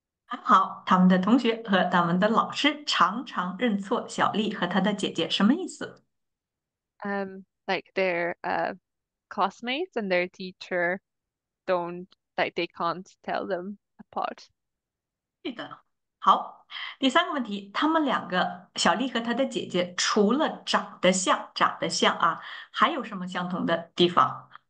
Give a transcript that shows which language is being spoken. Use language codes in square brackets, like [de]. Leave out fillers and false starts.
[zh] 好，他们的同学和他们的老师常常认错小丽和她的姐姐，什么意思？ [en] like their classmates and their teacher don't, like they can't tell them apart. [zh] 好，第三个问题，他们两个，小丽和她的姐姐，除了长得像，长得像啊，还有什么相同的地方？